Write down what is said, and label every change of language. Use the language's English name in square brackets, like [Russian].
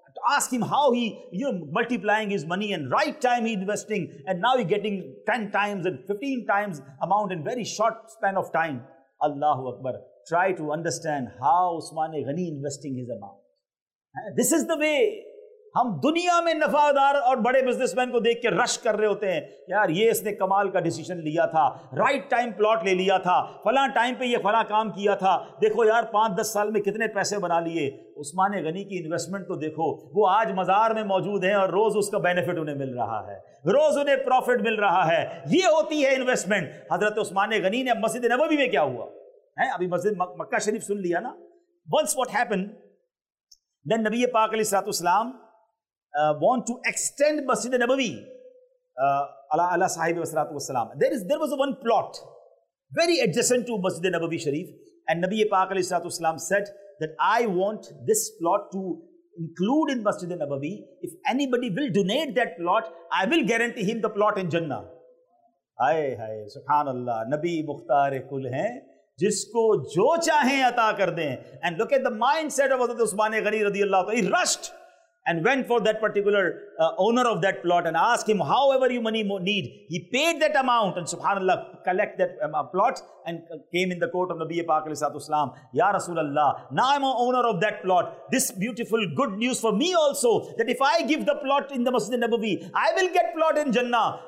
[English] Ask him how he, you know, multiplying his money and right time he investing, and now he getting 10 times and 15 times amount in very short span of time. Allahu Akbar. Try to understand how Usman Ghani investing his amount. This is the way [Urdu] ہم دنیا میں نفع دار اور بڑے business man کو دیکھ کے رش کر رہے ہوتے ہیں، یار یہ اس نے کمال کا ڈیسیشن لیا تھا، رائٹ ٹائم پلاٹ لے لیا تھا، فلاں ٹائم پہ یہ فلاں کام کیا تھا، دیکھو یار 5-10 سال میں کتنے پیسے بنا لیے، عثمان غنی کی انویسٹمنٹ تو دیکھو، وہ آج مزار میں موجود ہیں اور روز اس کا بینیفٹ انہیں مل رہا ہے، روز انہیں پروفٹ مل رہا ہے، یہ ہوتی ہے انویسٹمنٹ۔ حضرت عثمان غنی نے مسجد نبوی میں کیا ہوا ہے، ابھی مسجد مکہ شریف سن لیا نا، [English] once what happen then [Urdu] نبی پاک علیہ الصلوۃ والسلام [English] want to extend Masjid Nabawi [Urdu] ala sahib wa salatu wasalam. [English] There was one plot very adjacent to Masjid Nabawi Sharif, and Nabi Pak alayhi salatu wasalam said that I want this plot to include in Masjid Nabawi. If anybody will donate that plot, I will guarantee him the plot in Jannah. Aye aye, subhanallah. [Urdu] Nabi mukhtar kul hain, جس کو جو چاہیں عطا کر دیں. [English] And look at the mindset of Hazrat Usman Ghani رضی اللہ عنہ. He rushed and went for that particular owner of that plot and asked him, however you money need. He paid that amount and subhanallah, collect that plot and came in the court of Nabi Pak alayhi salatu wasalam. Ya Rasulallah, now I'm an owner of that plot. This beautiful good news for me also, that if I give the plot in the Masjid Nabawi, I will get plot in Jannah.